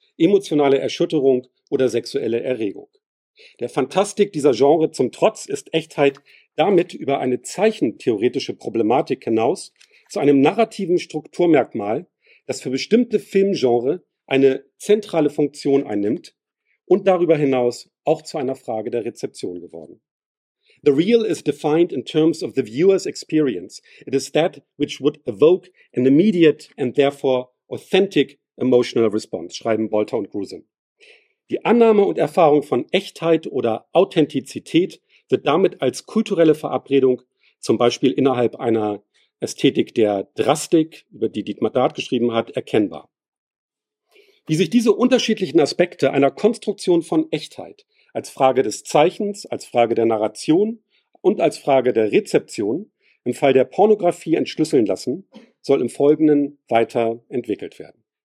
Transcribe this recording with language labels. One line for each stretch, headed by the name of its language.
German: Emotionale Erschütterung oder sexuelle Erregung. Der Fantastik dieser Genre zum Trotz ist Echtheit damit über eine zeichentheoretische Problematik hinaus zu einem narrativen Strukturmerkmal, das für bestimmte Filmgenre eine zentrale Funktion einnimmt und darüber hinaus auch zu einer Frage der Rezeption geworden.
English: The real is defined in terms of the viewer's experience. It is that which would evoke an immediate and therefore authentic emotional response,
German: schreiben Bolter und Grusin. Die Annahme und Erfahrung von Echtheit oder Authentizität wird damit als kulturelle Verabredung, zum Beispiel innerhalb einer Ästhetik der Drastik, über die Dietmar Dart geschrieben hat, erkennbar. Wie sich diese unterschiedlichen Aspekte einer Konstruktion von Echtheit als Frage des Zeichens, als Frage der Narration und als Frage der Rezeption im Fall der Pornografie entschlüsseln lassen, soll im Folgenden weiterentwickelt werden.